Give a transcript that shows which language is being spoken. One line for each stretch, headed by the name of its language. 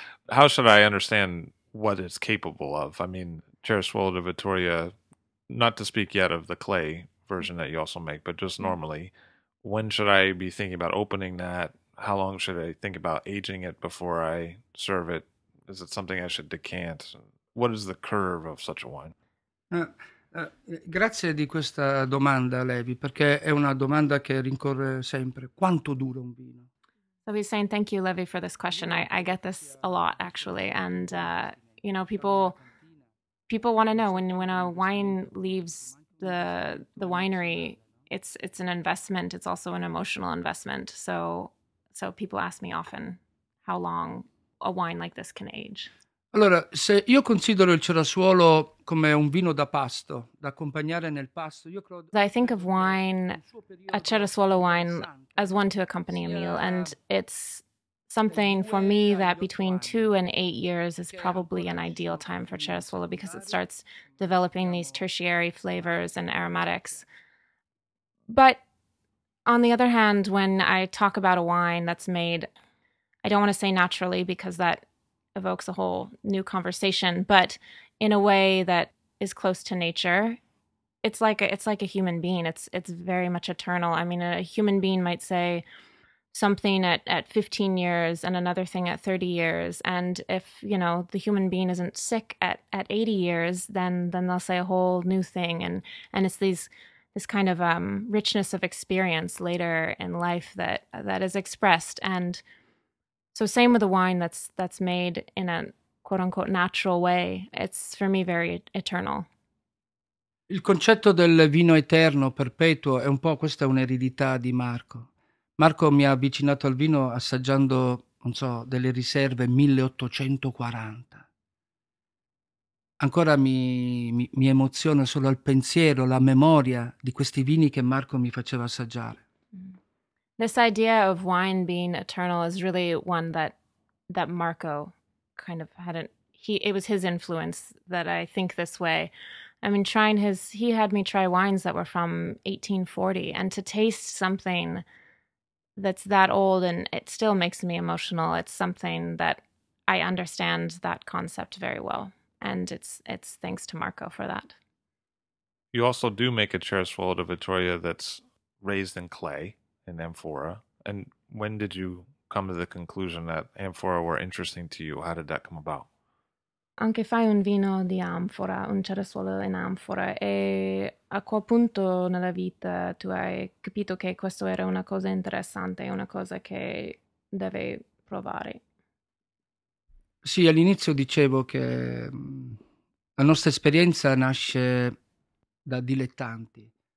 English: How should I understand what it's capable of? I mean, Cerasuolo di Vittoria, not to speak yet of the clay version that you also make, but just normally, when should I be thinking about opening that? How long should I think about aging it before I serve it? Is it something I should decant? What is the curve of such a wine?
Italian: Grazie di questa domanda, Levi, perché è una domanda che rincorre sempre. Quanto dura un vino?
English: So he's saying thank you, Levi, for this question. I get this a lot, actually. And, you know, people want to know when a wine leaves the winery, it's an investment. It's also an emotional investment. So people ask me often how long a wine like this can age.
Italian: Allora, se io considero il Cerasuolo come un vino da pasto, da accompagnare nel pasto, io credo...
English: I think of wine, a Cerasuolo wine, as one to accompany a meal, and it's something for me that between 2 and 8 years is probably an ideal time for Cerasuolo because it starts developing these tertiary flavors and aromatics. But on the other hand, when I talk about a wine that's made, I don't want to say naturally because that evokes a whole new conversation, but in a way that is close to nature, it's like a human being. It's very much eternal. I mean, a human being might say something at 15 years and another thing at 30 years. And if, you know, the human being isn't sick at 80 years, then they'll say a whole new thing. And it's this kind of richness of experience later in life that is expressed. And so same with the wine that's made in a quote-unquote natural way. It's, for me, very eternal.
Italian: Il concetto del vino eterno, perpetuo, è un po' questa un'eredità di Marco. Marco mi ha avvicinato al vino assaggiando, non so, delle riserve 1840. Ancora mi emoziona solo il pensiero, la memoria di questi vini che Marco mi faceva assaggiare.
English: This idea of wine being eternal is really one that Marco kind of hadn't... It was his influence that I think this way. I mean, he had me try wines that were from 1840, and to taste something that's that old and it still makes me emotional, it's something that I understand that concept very well. And it's thanks to Marco for that. You also do make a Ceres Volata Vittoria that's raised in clay, in amphora. And when did you come to the conclusion that amphora were interesting to you? How did that come about?
Italian: Anche fai un vino di amfora, un ceresuolo in amfora, e a quel punto nella vita tu hai capito che questo era una cosa interessante, una cosa che devi provare. Sì, all'inizio dicevo che la nostra esperienza nasce da dilettanti.